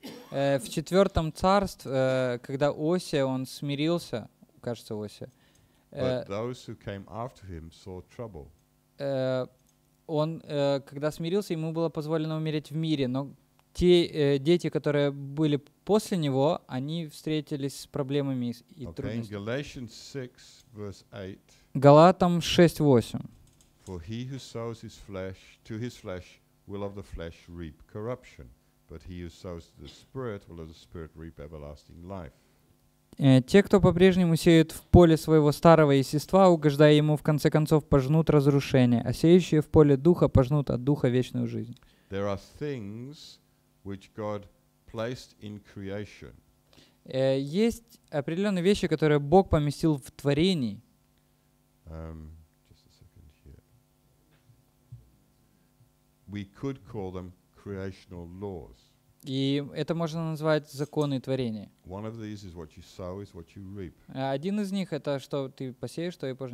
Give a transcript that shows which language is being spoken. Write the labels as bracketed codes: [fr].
[ru] В четвертом царстве, когда Осия, он смирился, кажется, Осия. [en] But those who came after him saw trouble. [ru] Он, когда смирился, ему было позволено умереть в мире, но те дети, которые были после него, они встретились с проблемами и трудностями. [en] Okay, Galatians 6, verse 8. [ru] Галатам 6:8. [en] For he who sows his flesh to his flesh will of the flesh reap corruption, but he who sows to the Spirit will of the Spirit reap everlasting life. [ru] Те, кто по-прежнему сеют в поле своего старого естества, угождая ему, в конце концов, пожнут разрушение, а сеющие в поле Духа пожнут от Духа вечную жизнь. [en] There are things which God placed in creation. [ru] Есть определенные вещи, которые Бог поместил в творении. [en] Just a second here. We could call them creational laws. [ru] И это можно назвать законы творения. Один из них — это что ты посеешь, то и